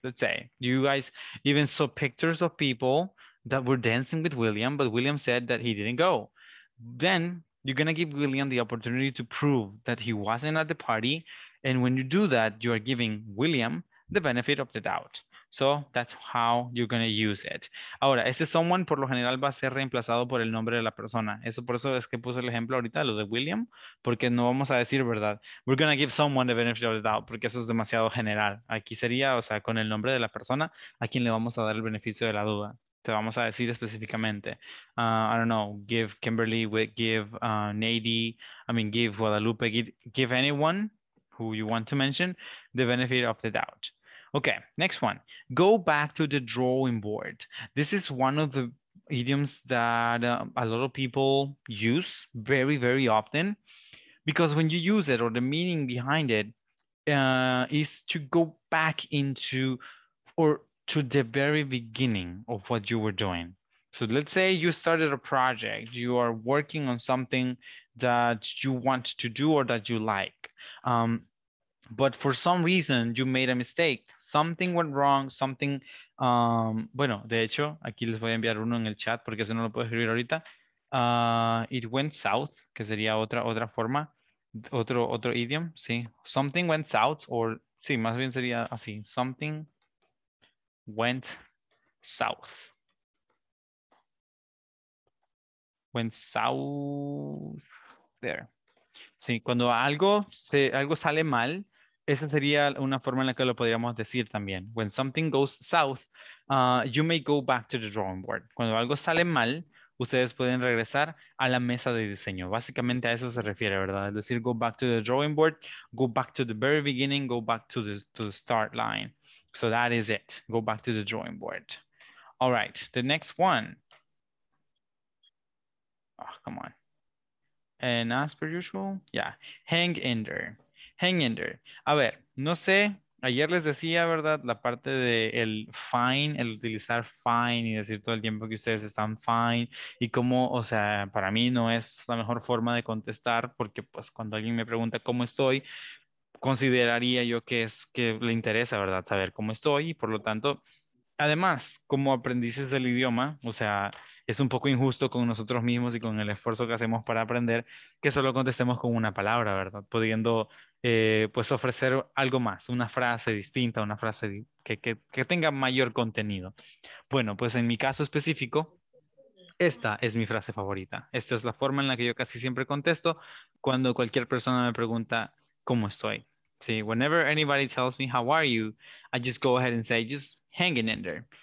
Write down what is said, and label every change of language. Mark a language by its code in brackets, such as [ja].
[en] Let's say you guys even saw pictures of people that were dancing with William, but William said that he didn't go. Then you're gonna give William the opportunity to prove that he wasn't at the party. And when you do that, you are giving William the benefit of the doubt. So that's how you're going to use it. [es] Ahora, este someone por lo general va a ser reemplazado por el nombre de la persona. Eso por eso es que puse el ejemplo ahorita, lo de William, porque no vamos a decir, ¿verdad? [en] We're going to give someone the benefit of the doubt, [es] porque eso es demasiado general. Aquí sería, o sea, con el nombre de la persona a quien le vamos a dar el beneficio de la duda. Te vamos a decir específicamente, [en] I don't know, give Kimberly, give Nady, I mean, give Guadalupe, give anyone who you want to mention the benefit of the doubt. Okay, next one. Go back to the drawing board. This is one of the idioms that a lot of people use very, very often, because when you use it, or the meaning behind it is to go back into or to the very beginning of what you were doing. So let's say you started a project, you are working on something that you want to do or that you like. But for some reason, you made a mistake. Something went wrong, something... [es] bueno, de hecho, aquí les voy a enviar uno en el chat porque ese no lo puedo escribir ahorita. [en] It went south, [es] que sería otra forma, otro idiom, sí. [en] Something went south, or [es] sí, más bien sería así. [en] Something went south. Went south there. [es] Sí, cuando algo sale mal, esa sería una forma en la que lo podríamos decir también. [en] When something goes south, you may go back to the drawing board. [es] Cuando algo sale mal, ustedes pueden regresar a la mesa de diseño. Básicamente a eso se refiere, ¿verdad? Es decir, [en] go back to the drawing board, go back to the very beginning, go back to the start line. So that is it. Go back to the drawing board. All right, the next one. Oh, come on. And as per usual, yeah, hang in there. Hang in there. [es] A ver, no sé, ayer les decía, ¿verdad? La parte del fine, el utilizar fine y decir todo el tiempo que ustedes están fine y cómo, o sea, para mí no es la mejor forma de contestar porque pues cuando alguien me pregunta cómo estoy, consideraría yo que es que le interesa, ¿verdad? Saber cómo estoy y por lo tanto, además, como aprendices del idioma, o sea, es un poco injusto con nosotros mismos y con el esfuerzo que hacemos para aprender que solo contestemos con una palabra, ¿verdad? Pudiendo pues ofrecer algo más, una frase distinta, una frase que tenga mayor contenido. Bueno, pues en mi caso específico, esta es mi frase favorita. Esta es la forma en la que yo casi siempre contesto cuando cualquier persona me pregunta cómo estoy. [en] Sí, whenever anybody tells me how are you, I just go ahead and say just hanging in there.